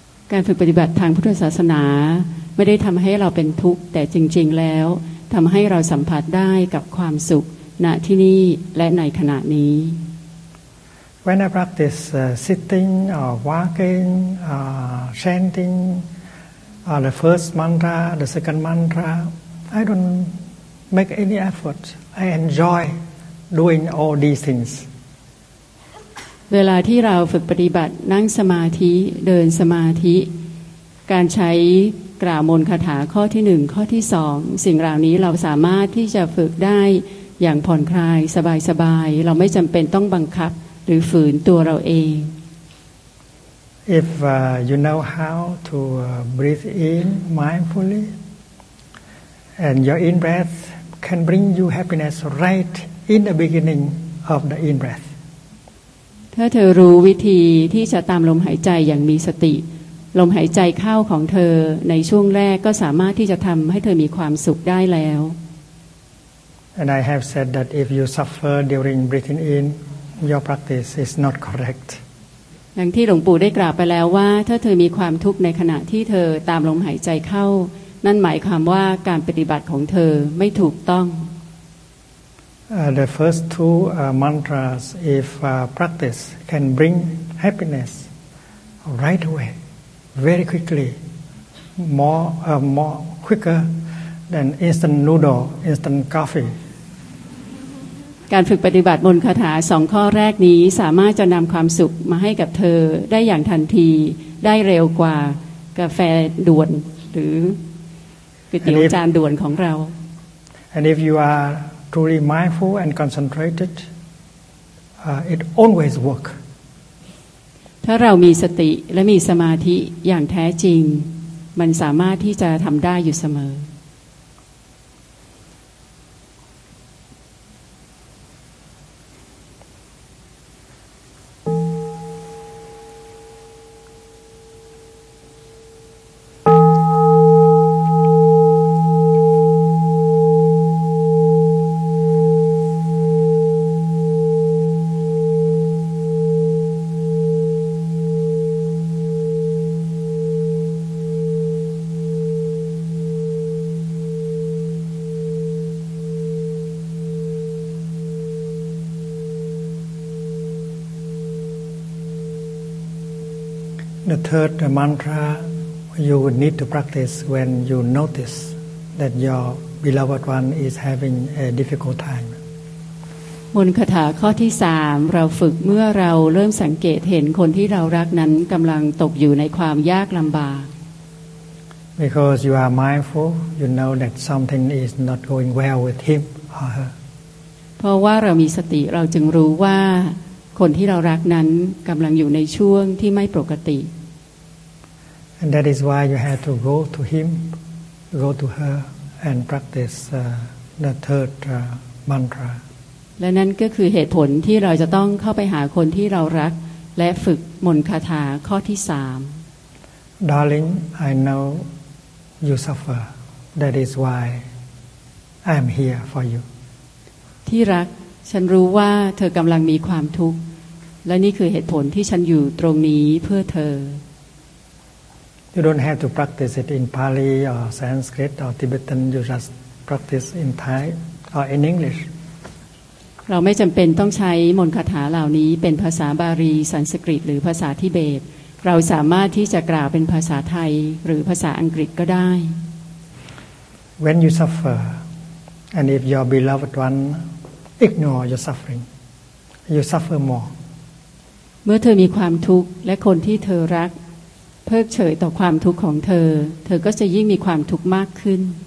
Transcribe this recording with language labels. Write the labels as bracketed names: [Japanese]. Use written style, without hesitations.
[Thai] การฝึกปฏิบัติทางพุทธศาสนาไม่ได้ทำให้เราเป็นทุกข์แต่จริงๆแล้วทำให้เราสัมผัสได้กับความสุขณที่นี่และในขณะนี้ [English] When I practice sitting or walking chanting the first mantra the second mantra I don't make any effort I enjoy doing all these things [Thai] เวลาที่เราฝึกปฏิบัตินั่งสมาธิเดินสมาธิการใช้กล่าวมนต์คาถาข้อที่1ข้อที่2สิ่งเหล่านี้เราสามารถที่จะฝึกได้อย่างผ่อนคลายสบายสบายเราไม่จำเป็นต้องบังคับหรือฝืนตัวเราเอง [English] If you know how to breathe in mindfully and your in breath can bring you happiness right in the beginning of the in breath [Thai] ถ้าเธอรู้วิธีที่จะตามลมหายใจอย่างมีสติลมหายใจเข้าของเธอในช่วงแรกก็สามารถที่จะทำให้เธอมีความสุขได้แล้ว [English] And I have said that if you suffer during breathing in, your practice is not correct. [Thai] อย่างที่หลวงปู่ได้กล่าวไปแล้วว่าถ้าเธอมีความทุกข์ในขณะที่เธอตามลมหายใจเข้านั่นหมายความว่าการปฏิบัติของเธอไม่ถูกต้อง [English] The first two mantras, if practiced, can bring happiness right away, very quickly, more quicker. Than instant noodle, instant coffee. [Thai] การฝึกปฏิบัติมนต์คาถาสองข้อแรกนี้สามารถจะนำความสุขมาให้กับเธอได้อย่างทันทีได้เร็วกว่ากาแฟด่วนหรือก๋วยเตี๋ยวจานด่วนของเรา [English] And if you are truly mindful and concentrated it always work [Thai] ถ้าเรามีสติและมีสมาธิอย่างแท้จริงมันสามารถที่จะทำได้อยู่เสมอ [English] Third mantra you would need to practice when you notice that your beloved one is having a difficult time. [Thai] มนต์คาถาข้อที่3เราฝึกเมื่อเราเริ่มสังเกตเห็นคนที่เรารักนั้นกำลังตกอยู่ในความยากลำบาก [English] Because you are mindful, you know that something is not going well with him or her. [Thai] เพราะว่าเรามีสติเราจึงรู้ว่าคนที่เรารักนั้นกำลังอยู่ในช่วงที่ไม่ปกติ [English] And that is why you have to go to him, go to her, and practice the third mantra. [Thai] และนั่นก็คือเหตุผลที่เราจะต้องเข้าไปหาคนที่เรารักและฝึกมนต์คาถาข้อที่3 [English] Darling, I know you suffer. That is why I am here for you. [Thai] ที่รักฉันรู้ว่าเธอกำลังมีความทุกข์และนี่คือเหตุผลที่ฉันอยู่ตรงนี้เพื่อเธอ [English] You don't have to practice it in Pali or Sanskrit or Tibetan. You just practice in Thai or in English. [Thai] เราไม่จำเป็นต้องใช้มนต์คาถาเหล่านี้เป็นภาษาบาลีสันสกฤตหรือภาษาทิเบตเราสามารถที่จะกล่าวเป็นภาษาไทยหรือภาษาอังกฤษก็ได้ [English] When you suffer, and if your beloved one ignore your suffering, you suffer more. [Thai] เมื่อเธอมีความทุกข์และคนที่เธอรักเพิกเฉยต่อความทุกข์ของเธอเธอก็จะยิ่งมีความทุกข์มากขึ้น